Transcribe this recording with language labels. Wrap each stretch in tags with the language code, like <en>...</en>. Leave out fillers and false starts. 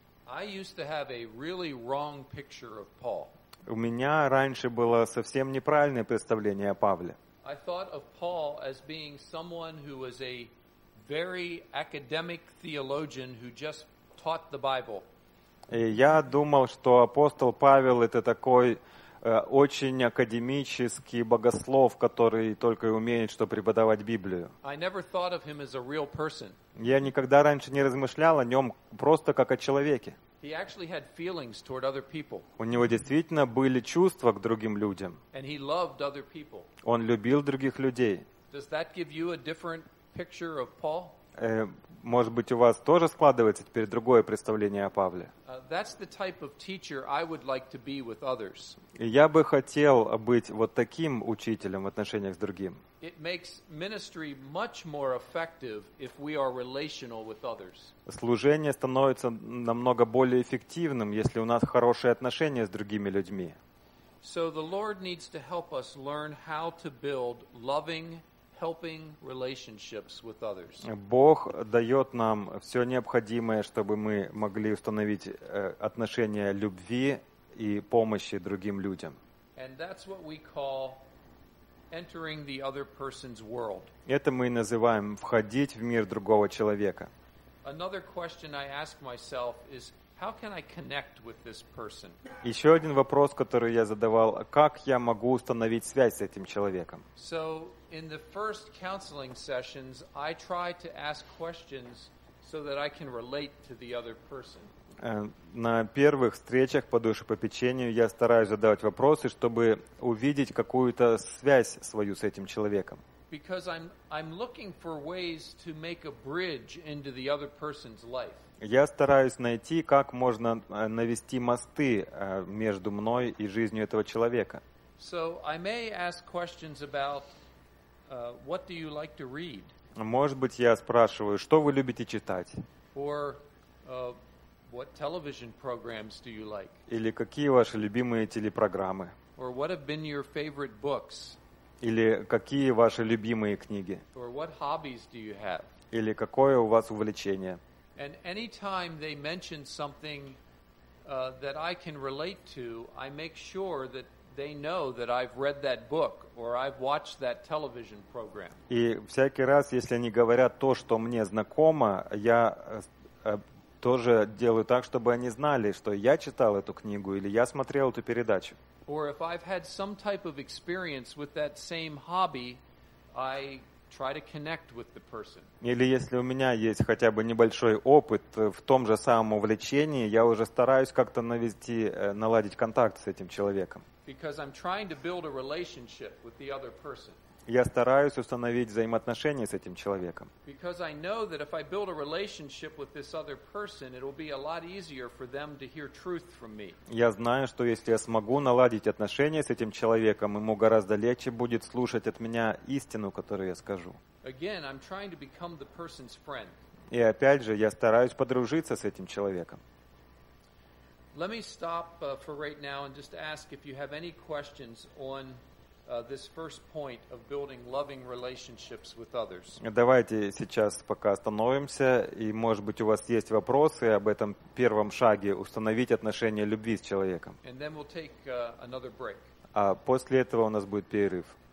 <en>I used to have a really wrong picture of Paul.</en> <ru>У меня раньше было совсем неправильное представление о Павле.</ru> <en>I thought of Paul as being someone who was a very academic theologian who just taught the Bible.</en> <ru>И я думал, что апостол Павел это такой очень академический богослов, который только и умеет, что преподавать Библию.</ru> <en>I never thought of him as a real person.</en> <ru>Я никогда раньше не размышлял о нем просто как о человеке.</ru> <en>He actually had feelings toward other people.</en> <ru>У него действительно были чувства к другим людям.</ru> <en>And he loved other people.</en> <ru>Он любил других людей.</ru> <en>Does that give you a different picture of Paul?</en> <ru>Может быть, у вас тоже складывается теперь другое представление о Павле?</ru> <en>That's the type of teacher I would like to be with others.</en> <ru>Я бы хотел быть вот таким учителем в отношениях с другим.</ru> <en>It makes ministry much more effective if we are relational with others.</en> <ru>Служение становится намного более эффективным, если у нас хорошие отношения с другими людьми.</ru> <en>So the Lord needs to help us learn how to build loving, helping relationships with others.</en> <ru>Бог дает нам все необходимое, чтобы мы могли установить отношения любви и помощи другим людям.</ru> <en>And that's what we call entering the other person's world.</en> <ru>Это мы называем входить в мир другого человека.</ru> <en>Another question I ask myself is, how can I connect with this person?</en> <ru>Еще один вопрос, который я задавал, как я могу установить связь с этим человеком?</ru> <en>So, in the first counseling sessions, I try to ask questions so that I can relate to the other person.</en> <ru>На первых встречах по душепопечению я стараюсь задавать вопросы, чтобы увидеть какую-то связь свою с этим человеком.</ru> <en>Because I'm looking for ways to make a bridge into the other person's life.</en> <ru>Я стараюсь найти, как можно навести мосты между мной и жизнью этого человека.</ru> <en>So I may ask questions about what do you like to read?</en> <ru>Может быть, я спрашиваю, что вы любите читать?</ru> <en>Or what television programs do you like?</en> <ru>Или какие ваши любимые телепрограммы?</ru> <en>Or what have been your favorite books?</en> <ru>Или какие ваши любимые книги?</ru> <en>Or what hobbies do you have?</en> <ru>Или какое у вас увлечение?</ru> <en>And any time they mention something that I can relate to, I make sure that they know that I've read that book or I've watched that television program.</en> <ru>И всякий раз, если они говорят то, что мне знакомо, я тоже делаю так, чтобы они знали, что я читал эту книгу или я смотрел эту передачу.</ru> <en>Or if I've had some type of experience with that same hobby, I try to connect with the person.</en> <ru>Или если у меня есть хотя бы небольшой опыт в том же самом увлечении, я уже стараюсь как-то навести, наладить контакт с этим человеком.</ru> <en>Because I'm trying to build a relationship with the other person.</en> <ru>Я стараюсь установить взаимоотношения с этим человеком.</ru> <en>Because I know that if I build a relationship with this other person, it'll be a lot easier for them to hear truth from me.</en> <ru>Я знаю, что если я смогу наладить отношения с этим человеком, ему гораздо легче будет слушать от меня истину, которую я скажу.</ru> <en>Again, I'm trying to become the person's friend.</en> <ru>И опять же, я стараюсь подружиться с этим человеком.</ru> <en>Let me stop for right now and just ask if you have any questions on this first point of building loving relationships with others.</en> <ru>Давайте сейчас пока остановимся, и, может быть, у вас есть вопросы об этом первом шаге установить отношения любви с человеком.</ru> <en>And then we'll take another break.</en> <ru>А после этого у нас будет перерыв.</ru>